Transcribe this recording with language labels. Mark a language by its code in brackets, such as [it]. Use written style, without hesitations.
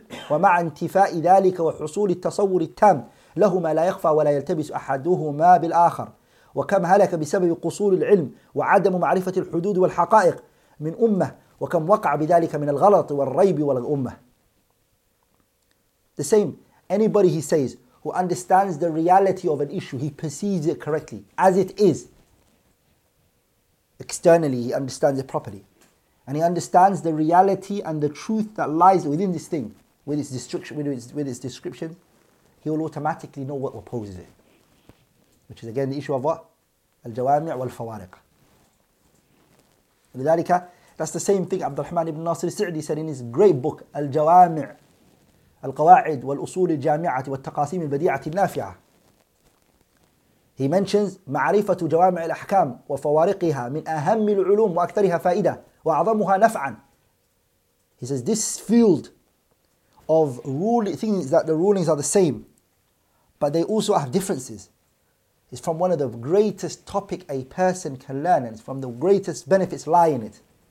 [ar] ومع انتفاء ذلك وحصول التصور التام لهما لا يخفى ولا يلتبس أحدهما بالآخر وكم هلك بسبب قصور العلم وعدم معرفة الحدود والحقائق من أمة وكم وقع بذلك من الغلط والريب والأمة. [en] The same, anybody he says who understands the reality of an issue, he perceives it correctly, as it is. Externally, he understands it properly. And he understands the reality and the truth that lies within this thing, with its description, he will automatically know what opposes it. Which is again the issue of what? Al-Jawami' wal-Fawariq. That's the same thing Abdul Rahman ibn Nasir al-Sa'di said in his great book, Al-Jawami' [ar] القواعد والأصول الجامعة والتقاسيم البديعة النافعة. [en] He mentions [ar] معرفة جوامع الأحكام وفوارقها من أهم العلوم وأكثرها فائدة وأعظمها نفعا. [en] He says this field of rule, things that the rulings are the same, but they also have differences, is from one of the greatest topic a person can learn, and from the greatest benefits lie in it.